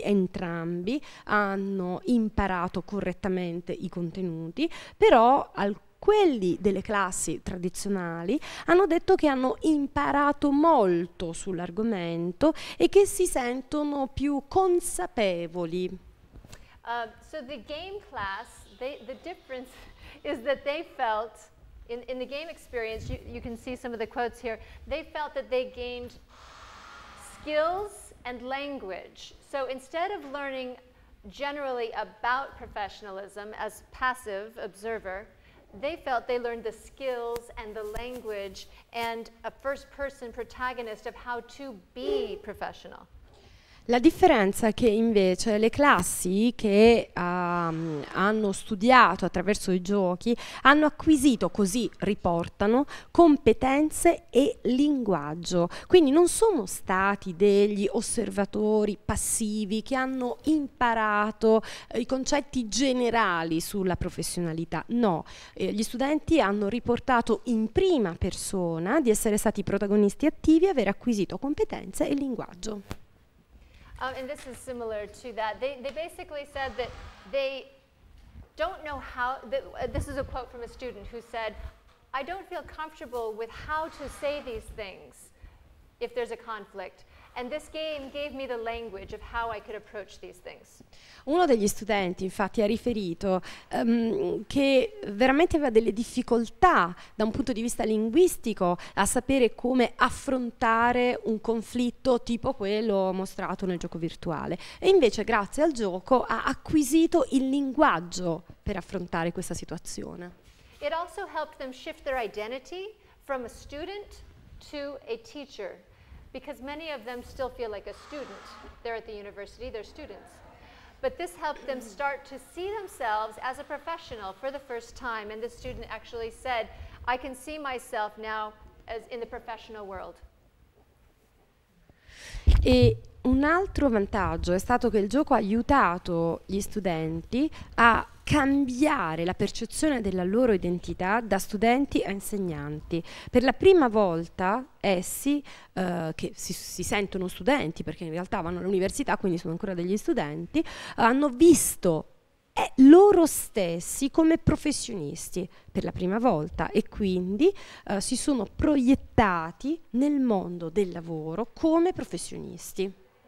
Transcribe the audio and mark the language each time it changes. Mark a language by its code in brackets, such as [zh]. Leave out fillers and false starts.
[it] Entrambi hanno imparato correttamente i contenuti, però quelli delle classi tradizionali hanno detto che hanno imparato molto sull'argomento e che si sentono più consapevoli. [en] So the game class, the difference is that they felt, in the game experience, you can see some of the quotes here, they felt that they gained skills and language. So instead of learning generally about professionalism as passive observer, they felt they learned the skills and the language and a first-person protagonist of how to be professional. [it] La differenza è che invece le classi che hanno studiato attraverso i giochi hanno acquisito, così riportano, competenze e linguaggio. Quindi non sono stati degli osservatori passivi che hanno imparato i concetti generali sulla professionalità. No, gli studenti hanno riportato in prima persona di essere stati protagonisti attivi e aver acquisito competenze e linguaggio. [en] And this is similar to that. They basically said that they don't know how, this is a quote from a student who said, I don't feel comfortable with how to say these things if there's a conflict. And this game gave me the language of how I could approach these things. [it] Uno degli studenti, infatti, ha riferito che veramente aveva delle difficoltà da un punto di vista linguistico a sapere come affrontare un conflitto tipo quello mostrato nel gioco virtuale. E invece, grazie al gioco, ha acquisito il linguaggio per affrontare questa situazione. [en] It also helped them shift their identity from a student to a teacher. Because many of them still feel like a student. They're at the university, they're students. But this helped them start to see themselves as a professional for the first time. And the student actually said, I can see myself now as in the professional world. [it] E un altro vantaggio è stato che il gioco ha aiutato gli studenti a cambiare la percezione della loro identità da studenti a insegnanti. Per la prima volta essi, che si sentono studenti, perché in realtà vanno all'università, quindi sono ancora degli studenti, hanno visto loro stessi come professionisti per la prima volta e quindi si sono proiettati nel mondo del lavoro come professionisti.